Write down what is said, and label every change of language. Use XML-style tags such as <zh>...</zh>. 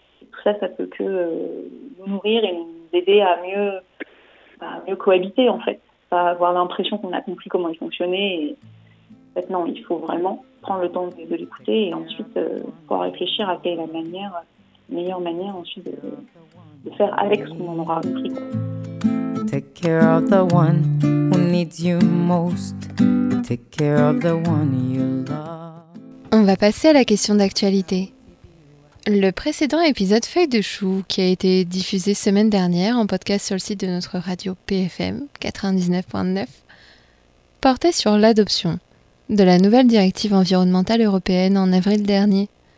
<fr>tout ça, ça peut que nous nourrir et nous aider à mieux, bah, mieux cohabiter, en fait. Pas avoir l'impression qu'on a compris comment il fonctionnait. Et... En fait, non, il faut vraiment prendre le temps de l'écouter et ensuite pouvoir réfléchir à quelle est la manière, meilleure manière ensuite de faire avec ce qu'on en aura appris.</fr> <en>Take care of the one who needs you most. Take care of the one you love.</en> <fr>On va passer à la question d'actualité. Le précédent épisode Feuille de Chou, qui a été diffusé semaine dernière en podcast sur le site de notre radio PFM 99.9, portait sur l'adoption de la nouvelle directive environnementale européenne en avril dernier.</fr>